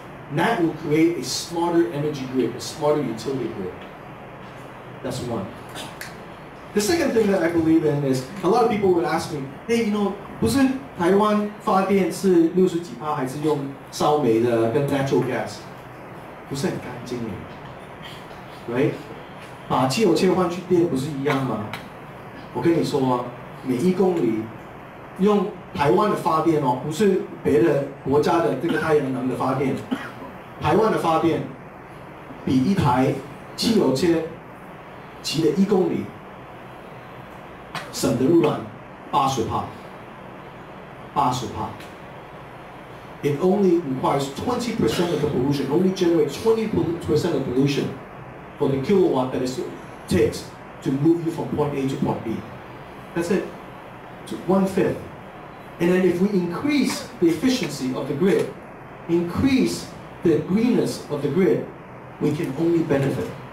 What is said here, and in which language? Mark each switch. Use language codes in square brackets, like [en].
[en] And that will create a smarter energy grid, a smarter utility grid. That's one. The second thing that I believe in is, a lot of people would ask me, hey, you know, [zh] 不是台湾发电是60几%还是用烧煤的跟 [en] natural gas? [zh] 不是很干净耶, [en] right? [zh] 把汽油切换去电不是一样吗?我跟你说, 每一公里, 用台湾的发电哦, 不是别的国家的这个太阳能的发电, 台湾的发电比一台汽油车骑的一公里 省得污染80%, 80%. [en] It only requires 20% of the pollution, only generates 20% of pollution for the kilowatt that it takes to move you from point A to point B. That's it. So one-fifth. And then if we increase the efficiency of the grid, increase the greenness of the grid, we can only benefit.